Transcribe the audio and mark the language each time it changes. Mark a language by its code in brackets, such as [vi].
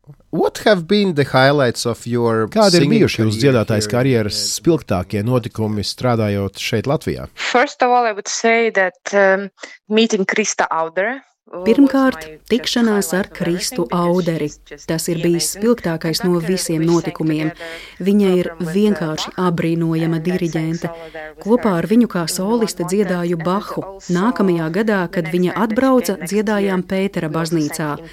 [en] What have been the highlights of your [lv] Kādi ir bijuši jūsu dziedātājas karjeras spilgtākie notikumi strādājot šeit Latvijā? [en] First of all, I would say that meeting Krista Auder [lv] Pirmkārt, tikšanās ar Kristu Auderi. Tas ir bijis spilgtākais no visiem notikumiem. Viņa ir vienkārši abrīnojama diriģente. Kopā ar viņu kā soliste dziedāju Bahu. Nākamajā gadā, kad viņa atbrauca, dziedājām Pētera baznīcā.